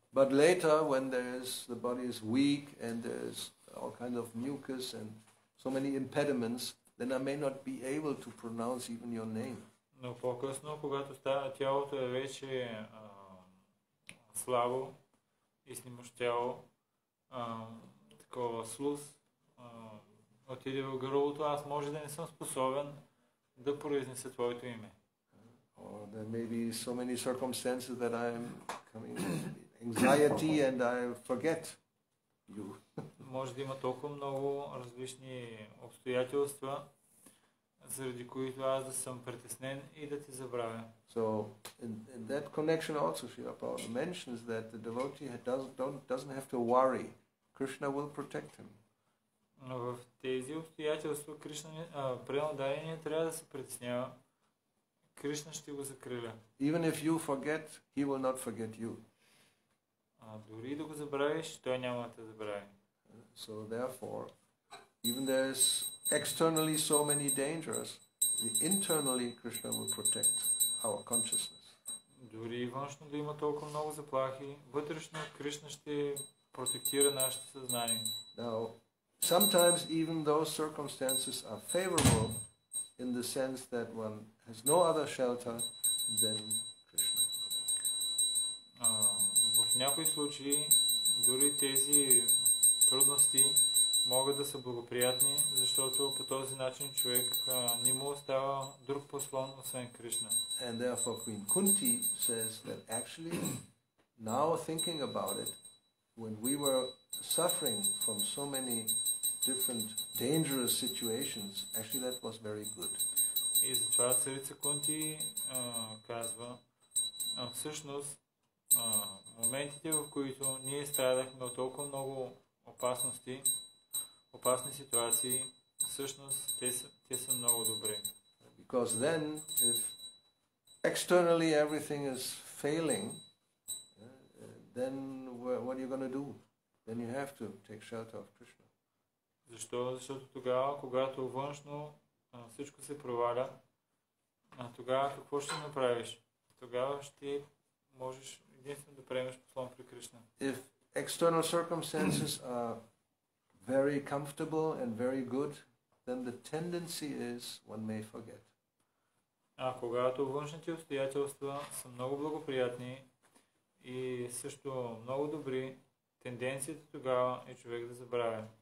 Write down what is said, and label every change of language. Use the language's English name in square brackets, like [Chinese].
[English] But later, when there is the body is weak and there is all kinds of mucus and so many impediments, then I may not be able to pronounce even your name. [Bulgarian] Но по-късно, когато тялото е вече слабо и снимаш тяло, такова слуз, отиде в гърлото, аз може да не съм способен да произнеса твоето име. [English] Or there may be so many circumstances that I am coming with anxiety and I forget you. [Bulgarian] Може да има толкова много различни обстоятелства, заради които аз да съм притеснен и да ти забравя. [English] So in that connection also Shri Prabhupada mentions that the devotee doesn't have to worry. Krishna will protect him. [Bulgarian] Но в тези обстоятелства Кришна приема дарение, трябва да се притеснява. Кришна ще го закриля. [English] Even if you forget, he will not forget you. [Bulgarian] Дори да го забравиш, той няма да те забрави. [English] So therefore, even there is externally so many dangers, internally Krishna will protect our consciousness. [Bulgarian] Дори външно да има толкова много заплахи, вътрешно Кришна ще протектира нашето съзнание. [English] Now, sometimes even those circumstances are favorable in the sense that one has no other shelter than Krishna. [Bulgarian] В някои случаи дори тези трудности могат да са благоприятни, защото по този начин човек не му остава друг послон освен Кришна. [English] And therefore Queen Kunti says that actually now thinking about it, when we were suffering from so many different dangerous situations, actually that was very good. [Bulgarian] И затова царица Кунти казва, всъщност моментите, в които ние страдахме от толкова много опасности, опасни ситуации, всъщност те са много добри. [English] Because then, if externally everything is failing, then what are you going to do? Then you have to take shelter of Krishna. [Bulgarian] Защото тогава, когато външно всичко се проваля, тогава какво ще направиш? Тогава ще можеш единствено да приемеш послон при Кришна. [English] If external circumstances are very comfortable and very good, then the tendency is one may forget. [Bulgarian] А когато външните обстоятелства са много благоприятни и също много добри, тенденцията тогава е човек да забравя.